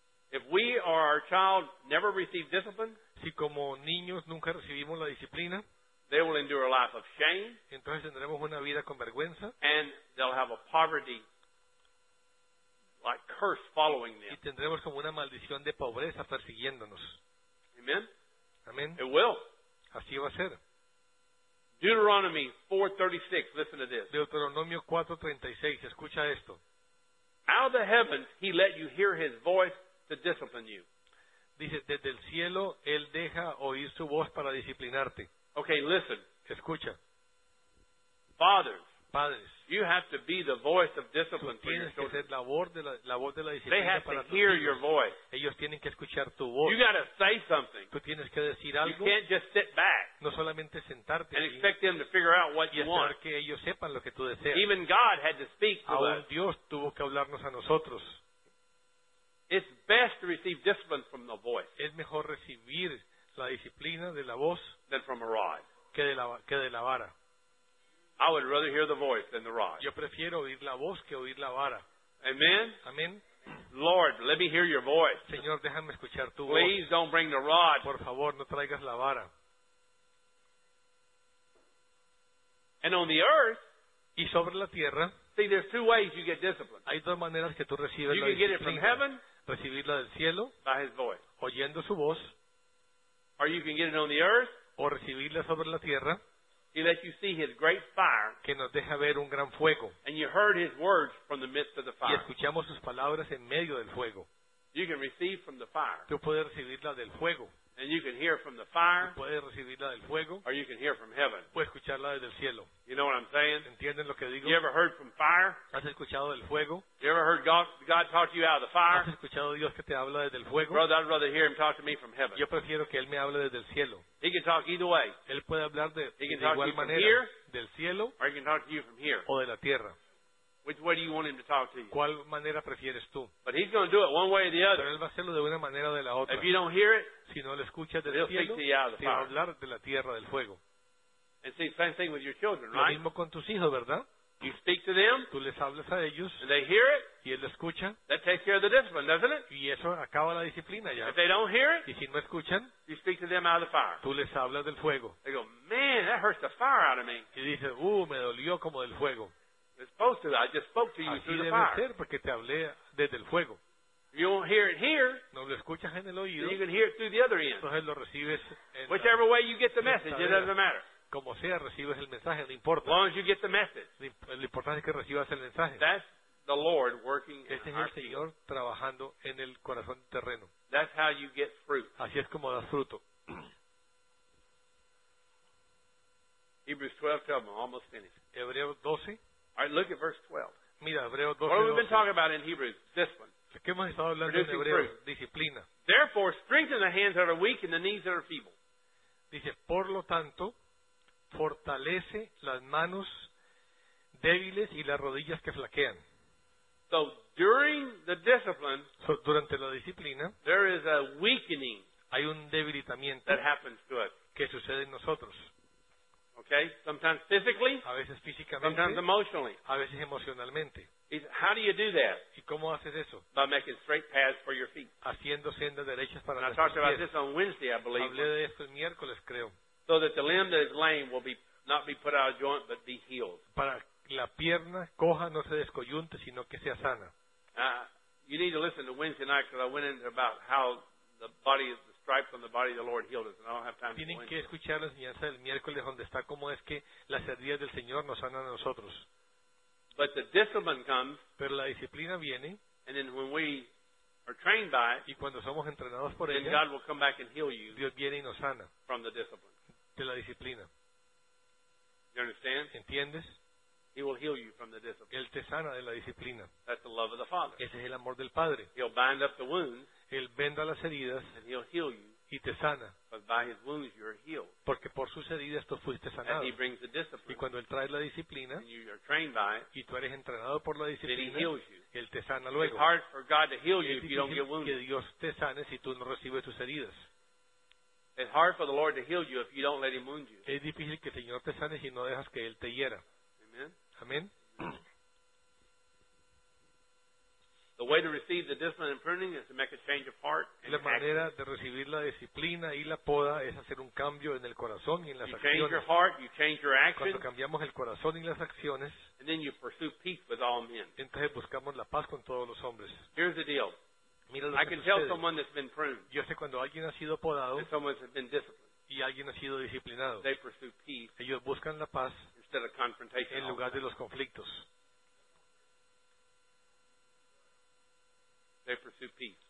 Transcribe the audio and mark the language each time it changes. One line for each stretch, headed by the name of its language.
English: If we or our child never receive discipline,
Spanish: si como niños nunca recibimos la disciplina,
English: they will endure a life of shame.
Spanish: Entonces tendremos una vida con vergüenza.
English: And they'll have a poverty like curse following them.
Spanish: Y tendremos como una maldición de pobreza persiguiéndonos.
English: Amen.
Spanish: Amen.
English: It will.
Spanish: Así va a ser.
English: Deuteronomy 4:36. Listen to this.
Spanish: Deuteronomio 4:36. Escucha esto.
English: Out of the heavens he let you hear his voice to discipline you.
Spanish: Dice, desde el cielo él deja oír su voz para disciplinarte.
English: Okay, listen.
Spanish: Escucha.
English: Fathers.
Spanish: Padres.
English: You have to be the voice of discipline for your children.
Spanish: Tienes que ser la voz de la disciplina.
English: They have
Spanish: para
English: to hear your voice.
Spanish: Ellos tienen que escuchar tu voz.
English: You got to say something.
Spanish: Tú tienes que decir algo.
English: You can't just sit back.
Spanish: No solamente sentarte.
English: And expect them to figure out what you want.
Spanish: Y esperar que ellos sepan lo que tú deseas.
English: Even God had to speak to us.
Spanish: Aún Dios tuvo que hablarnos a nosotros.
English: It's best to receive discipline from the voice.
Spanish: Es mejor recibir la disciplina de la voz
English: than from a rod.
Spanish: Que de la vara.
English: I would rather hear the voice than the rod.
Spanish: Yo prefiero oír la voz que oír la vara.
English: Amen.
Spanish: Amen.
English: Lord, let me hear your voice.
Spanish: Señor, déjame escuchar tu
English: Please
Spanish: voz.
English: Please don't bring the rod.
Spanish: Por favor, no traigas la vara.
English: And on the earth,
Spanish: y sobre la tierra,
English: see, there's two ways you get discipline.
Spanish: Hay dos maneras que tú recibes
English: you
Spanish: la disciplina.
English: You can get it from heaven,
Spanish: recibirla del cielo,
English: by his voice,
Spanish: oyendo su voz.
English: Or you can get it on the earth,
Spanish: o recibirla sobre la tierra.
English: He lets you see his great fire,
Spanish: que nos deja ver un gran fuego.
English: And you heard his words from the midst of the fire.
Spanish: Y escuchamos sus palabras en medio del fuego.
English: You can receive from the fire.
Spanish: Tú puedes recibirla del fuego.
English: And you can hear from the fire.
Spanish: Tú puedes recibirla del fuego.
English: Or you can hear from heaven.
Spanish: Puedes escucharla desde el cielo.
English: You know what I'm saying?
Spanish: ¿Entienden lo que digo?
English: You ever heard from fire?
Spanish: ¿Has escuchado del fuego?
English: You ever heard God talk to you out of the fire?
Spanish: ¿Has escuchado Dios que te habla desde el fuego?
English: Brother, I'd rather hear him talk to me from heaven.
Spanish: Yo prefiero que él me hable desde el cielo.
English: He can talk either way.
Spanish: Él puede hablar de
English: he can talk
Spanish: igual
English: to you
Spanish: manera
English: from here,
Spanish: del cielo,
English: or he can talk to you from here.
Spanish: O de la tierra.
English: Which way do you want him to talk to you?
Spanish: ¿Cuál manera prefieres tú?
English: But he's going to do it one way or the other.
Spanish: Pero él va a hacerlo de una manera o de la otra.
English: If you don't hear it,
Spanish: si no lo escuchas del cielo, te va a hablar de la tierra del fuego.
English: And see, same thing with your children, right?
Spanish: Lo mismo con tus hijos, ¿verdad?
English: You speak to them,
Spanish: tú les hablas a ellos,
English: and they hear it,
Spanish: y él lo escucha,
English: that takes care of the discipline, doesn't it?
Spanish: Y eso acaba la disciplina ya.
English: If they don't hear it,
Spanish: y si no escuchan,
English: you speak to them out of the fire.
Spanish: Tú les hablas del fuego.
English: They go, man, that hurts the fire out of me.
Spanish: Y dices, me dolió como del fuego.
English: It's supposed to. I just spoke to you
Spanish: así
English: through
Spanish: debe
English: the fire.
Spanish: Ser porque te hablé desde el fuego.
English: You won't hear it here.
Spanish: No lo escuchas en el oído.
English: You can hear it through the other end.
Spanish: Entonces lo recibes.
English: Whichever way you get the message, it doesn't matter.
Spanish: Como sea, recibes el mensaje. No importa.
English: As long as you get the message.
Spanish: Lo importante es que recibas el mensaje.
English: That's the Lord working in
Spanish: este es el Señor trabajando en el corazón terreno.
English: That's how you get fruit.
Spanish: Así es como das fruto.
English: Hebrews 12:12. I'm almost finished.
Spanish: Hebreos 12.
English: All right, look at verse 12.
Spanish: Mira, Hebreos 12.
English: What have we been talking about in Hebrews? This one.
Spanish: ¿Qué hemos estado hablando en Hebreos? Disciplina.
English: Therefore, strengthen the hands that are weak and the knees that are feeble.
Spanish: Dice, por lo tanto, fortalece las manos débiles y las rodillas que flaquean.
English: So, during the discipline,
Spanish: so, durante la disciplina,
English: there is a weakening
Spanish: hay un debilitamiento
English: that happens to us.
Spanish: Que sucede en nosotros.
English: Okay, sometimes physically,
Spanish: a veces físicamente,
English: sometimes emotionally.
Spanish: A veces emocionalmente.
English: How do you do that?
Spanish: ¿Y cómo haces eso?
English: By making straight paths for your feet.
Spanish: Haciendo sendas derechas para nuestros pies.
English: I talked about this on Wednesday, I believe.
Spanish: Hablé de esto el miércoles, creo.
English: So that the limb that is lame will be not be put out of joint, but be healed.
Spanish: Para la pierna coja no se descoyunte, sino que sea sana.
English: You need to listen to Wednesday night because I went into about how the body is. Stripes on the body of the Lord healed us, and I don't have time to
Spanish: tienen que escuchar la enseñanza del miércoles donde está cómo es que las heridas del Señor nos sanan a nosotros.
English: But the discipline comes,
Spanish: pero la disciplina viene,
English: and then when we or trained by it,
Spanish: y cuando somos entrenados por
English: then
Spanish: ella,
English: God will come back and heal you
Spanish: Dios viene y nos sana
English: from the discipline.
Spanish: De la disciplina.
English: You understand?
Spanish: ¿Entiendes?
English: He will heal you from the discipline.
Spanish: Él te sana de la disciplina.
English: That's the love of the Father.
Spanish: Ese es el amor del Padre.
English: He'll bind up the wounds.
Spanish: Él venda las heridas.
English: And he'll heal you.
Spanish: Y te sana.
English: But by his wounds you are healed.
Spanish: Porque por sus heridas tú fuiste sanado.
English: And he brings the discipline.
Spanish: Y cuando él trae la disciplina.
English: And you are trained by it.
Spanish: Y tú eres entrenado por la disciplina.
English: Then he heals you.
Spanish: Él te sana luego.
English: It's hard for God to heal you if you don't get wounded.
Spanish: Que Dios te sane si tú no recibes tus heridas.
English: It's hard for the Lord to heal you if you don't let him wound you.
Spanish: Es difícil que el Señor te sane si no dejas que él te hiera.
English: Amen. The way to receive the discipline and pruning is to make a change of heart.
Spanish: La manera de recibir la disciplina y la poda es hacer un cambio en el corazón y en las acciones.
English: You change your heart, you change your actions.
Spanish: Cuando cambiamos el corazón y las acciones,
English: and then you pursue peace with all men.
Spanish: Entonces buscamos la paz con todos los hombres.
English: Here's the deal.
Spanish: Mira lo que sucede.
English: I can tell someone that's been pruned.
Spanish: Yo sé cuando alguien ha sido podado.
English: And someone that's been disciplined.
Spanish: Y alguien ha sido disciplinado.
English: They pursue peace.
Spanish: Ellos buscan la paz.
English: Instead of confrontation.
Spanish: En lugar de los conflictos.
English: They pursue peace.